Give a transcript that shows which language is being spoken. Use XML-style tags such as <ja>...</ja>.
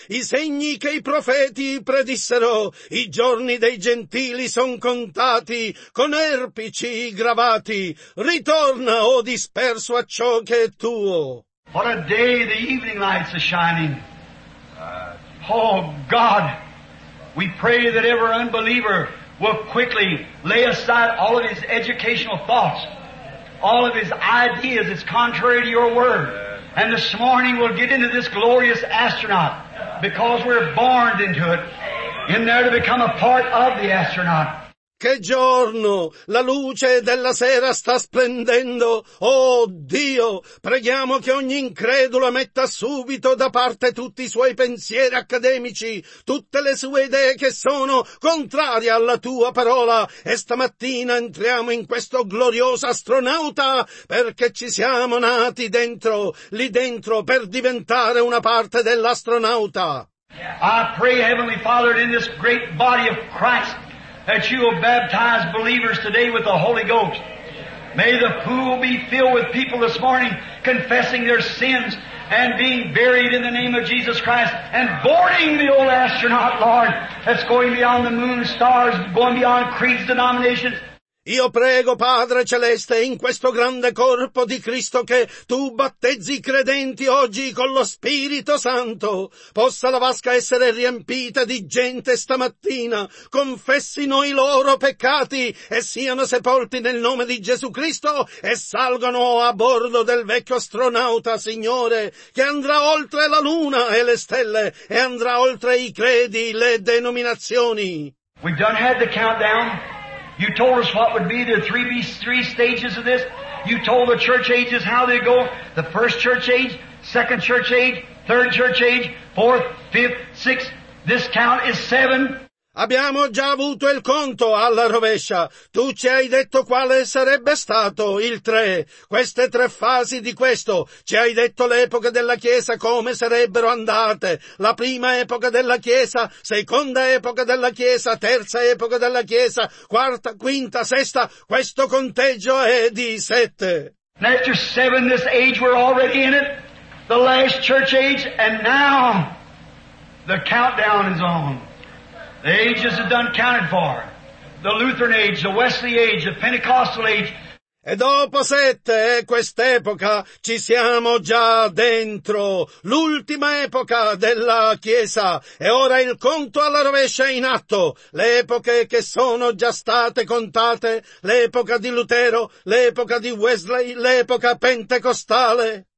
<it>I segni che i profeti predissero. I giorni dei gentili son contati, con erpici gravati. Ritorna, o disperso, a ciò che è tuo.</it> <en>What a day the evening lights are shining. Oh, God, we pray that every unbeliever will quickly lay aside all of his educational thoughts, all of his ideas that's contrary to your word. And this morning we'll get into this glorious astronaut, because we're born into it, in there to become a part of the astronaut.</en> <it>Che giorno, la luce della sera sta splendendo. Oh Dio, preghiamo che ogni incredulo metta subito da parte tutti i suoi pensieri accademici, tutte le sue idee che sono contrarie alla tua parola. E stamattina entriamo in questo glorioso astronauta perché ci siamo nati dentro, lì dentro, per diventare una parte dell'astronauta.</it> <en>I pray, Heavenly Father, in this great body of Christ, that you will baptize believers today with the Holy Ghost. May the pool be filled with people this morning confessing their sins and being buried in the name of Jesus Christ and boarding the old astronaut, Lord, that's going beyond the moon, stars, going beyond creeds, denominations.</en> <it>Io prego, Padre Celeste, in questo grande corpo di Cristo che tu battezzi i credenti oggi con lo Spirito Santo, possa la vasca essere riempita di gente stamattina, confessino i loro peccati e siano sepolti nel nome di Gesù Cristo e salgano a bordo del vecchio astronauta, Signore, che andrà oltre la luna e le stelle e andrà oltre i credi, le denominazioni.</it> <en>We've done had the countdown. You told us what would be the three stages of this. You told the church ages how they go. The first church age, second church age, third church age, fourth, fifth, sixth. This count is seven.</en> <it>Abbiamo già avuto il conto alla rovescia. Tu ci hai detto quale sarebbe stato il tre. Queste tre fasi di questo. Ci hai detto l'epoca della Chiesa come sarebbero andate. La prima epoca della Chiesa, seconda epoca della Chiesa, terza epoca della Chiesa, quarta, quinta, sesta. Questo conteggio è di sette.</it> <en>After seven, this age, we're already in it. The last church age, and now the countdown is on. The ages are done counted for. The Lutheran age, the Wesley age, the Pentecostal age.</en> <it>E dopo sette, quest'epoca, ci siamo già dentro. L'ultima epoca della Chiesa. E ora il conto alla rovescia è in atto. Le epoche che sono già state contate. L'epoca di Lutero, l'epoca di Wesley, l'epoca pentecostale.</it>